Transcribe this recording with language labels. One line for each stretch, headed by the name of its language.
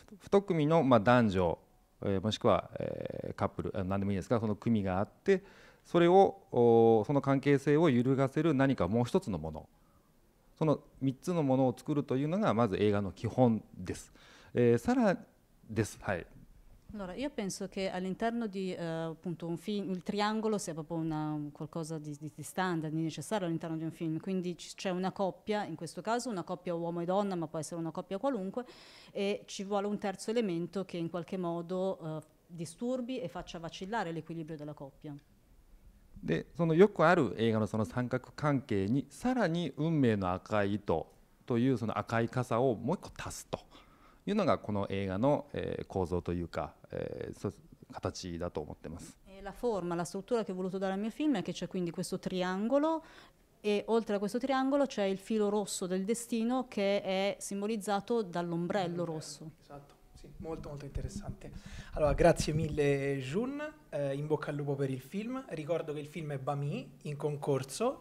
Japanese: 2組の、男女、もしくは、カップル、何でもいいですが、その組があって、それをその関係性を揺るがせる何かもう一つのもの、その三つのものを作るというのがまず映画の基本です。さらです。はい。
Italian: Allora, io penso che all'interno di appunto un film il triangolo sia proprio qualcosa di standard, di necessario all'interno di un film. Quindi c'è una coppia, in questo caso una coppia uomo e donna, ma può essere una coppia qualunque, e ci vuole un terzo elemento che in qualche modo disturbi e faccia vacillare l'equilibrio della coppia.
Japanese: で、そのよくある映画のその三角関係にさらに運命の赤い糸というその赤い傘をもう一個足すというのがこの映画の構造というか形だと思ってます。
Italian: La forma, la struttura che ho voluto dare al mio film è che c'è quindi questo triangolo e oltre a questo triangolo c'è il filo rosso del destino che è simbolizzato dall'ombrello rosso. Esatto, sì, molto molto interessante. Allora, grazie mille Jun. In bocca al lupo per il film. Ricordo che il film è Bami in concorso.